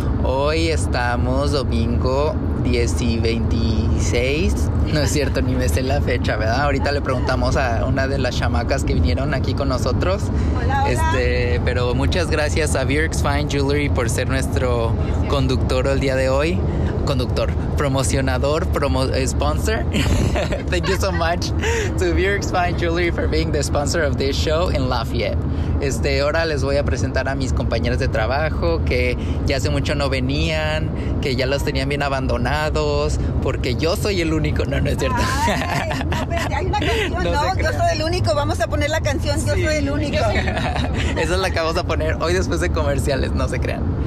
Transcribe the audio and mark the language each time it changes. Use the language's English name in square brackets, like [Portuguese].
[Spanish] Hoy estamos domingo 10 y 26, no es cierto, ni me sé la fecha, ¿verdad? Ahorita le preguntamos a una de las chamacas que vinieron aquí con nosotros. Hola. Pero muchas gracias a Virk's Fine Jewelry por ser nuestro conductor el día de hoy. conductor, promocionador, sponsor. [English] Thank you so much to Viewer Spine Jewelry for being the sponsor of this show in Lafayette. [Spanish] Ahora les voy a presentar a mis compañeros de trabajo que ya hace mucho no venían, que ya los tenían bien abandonados, porque yo soy el único. No, no es cierto. Ay, no, pero ya hay una canción, ¿no? Yo soy el único. Vamos a poner la canción Yo soy el único. Esa es la que vamos a poner hoy después de comerciales, no se crean.